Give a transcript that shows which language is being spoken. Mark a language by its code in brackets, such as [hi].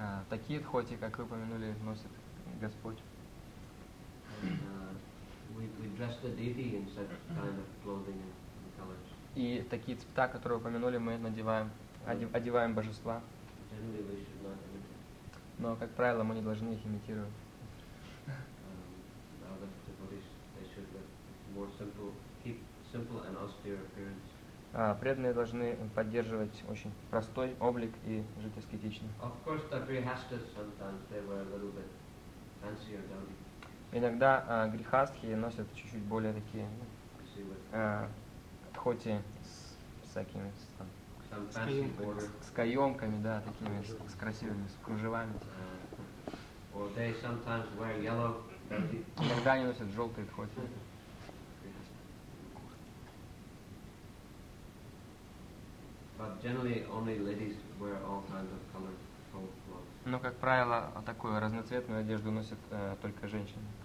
[ru] Такие дхоти, как вы упомянули, носит Господь. [en] We dress the deity in such kind of clothing and colors. [ru] И такие цвета, которые упомянули, мы надеваем, одеваем божества. [en] Generally we should not imitate. [ru] Но, как правило, мы не должны их имитировать. [en] Other devotees, they should have more simple, keep simple and austere appearance. [ru] Преданные должны поддерживать очень простой облик и жить аскетично. [en] Of course, the grihasthas sometimes they wear a little bit fancier dhoti. [ru] Иногда грихастхи носят чуть-чуть более такие дхоти с всякими там, с каемками, да, такими с красивыми, с кружевами. [en] Or they sometimes wear yellow dhoti. [ru] Иногда они носят желтые дхоти. [en] But generally only ladies wear all kinds of colored clothes. [ru] Но, как правило, такую разноцветную одежду носят только женщины.